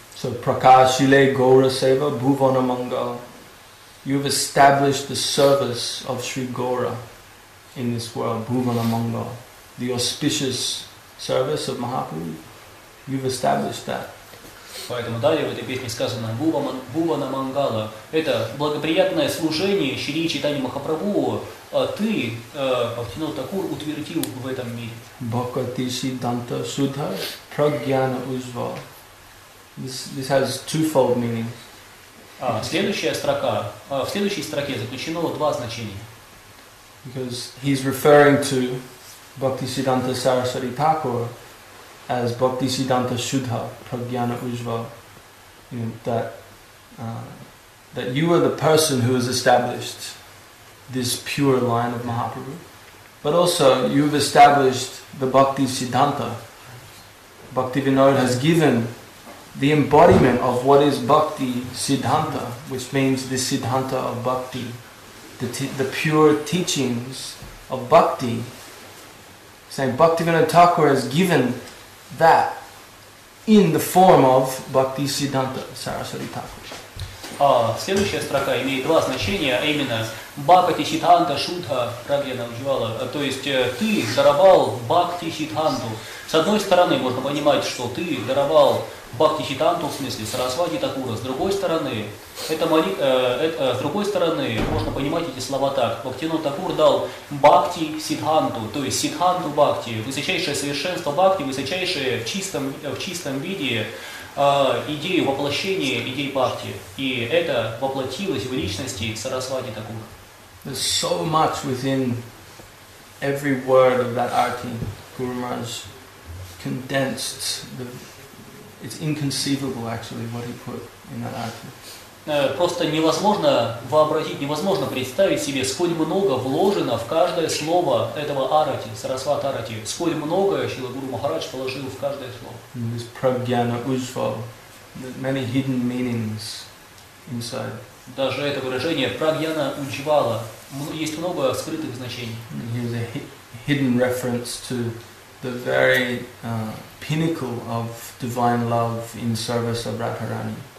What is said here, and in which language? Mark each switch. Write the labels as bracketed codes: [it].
[en] So [bn] Prakashile Gaura Seva Bhuvana Mangala, [en] you have established the service of Sri Gaura in this world, Bhuvana Mangala, the auspicious service of Mahaprabhu, you've established that. [ru] Поэтому далее в этой песне сказано Бхувана Мангала. Это благоприятное служение Шри Чайтанья Махапрабху. Ты, Бхактивинода Такур, утвердил в этом мире. [bn] Бхакти Сиддханта Судха Прагьяна Узвал. [en] This has twofold meaning. [ru] В следующей строке заключено два значения. [en] Because he's referring to Бхакти Сиддханта Сарасвати Такур as [bn] Bhakti Siddhanta Shuddha Pragyana Ujjwal, [en] you know, that you are the person who has established this pure line of Mahaprabhu, but also you've established the Bhakti Siddhanta. Bhaktivinoda has given the embodiment of what is Bhakti Siddhanta, which means the Siddhanta of Bhakti, the pure teachings of Bhakti. Saying Bhaktivinoda Thakur has given that in the form of Bhakti Siddhanta Sarasvati Thakur. [ru] Следующая строка имеет два значения, а именно [bn] Бхакти Сиддханта Шудха Прагьяна Ужвала, [ru] то есть ты даровал Бхакти Сиддханту. С одной стороны, можно понимать, что ты даровал Бхакти Сиддханту, в смысле Сарасвати Такура. С другой стороны, можно понимать эти слова так. Бхактивинода Такур дал Бхакти Сиддханту, то есть Сиддханту Бхакти, высочайшее совершенство Бхакти, высочайшее в чистом виде идею воплощения идей Бхакти. И это воплотилось в личности Сарасвати Такура. [en] There's so much within every word of that arti. Guru Maharaj condensed the... It's inconceivable, actually, what he put in that article. [ru] Просто невозможно вообразить, невозможно представить себе, сколь много вложено в каждое слово этого арати, Сарасват арати, сколь много Шрила Гуру Махарадж положил в каждое слово. [en] This prajnana usval, many hidden meanings inside. [ru] Даже это выражение прагьяна уджвала, есть много скрытых значений. [en] Here's a hidden reference to the very pinnacle of divine love in service of Radharani.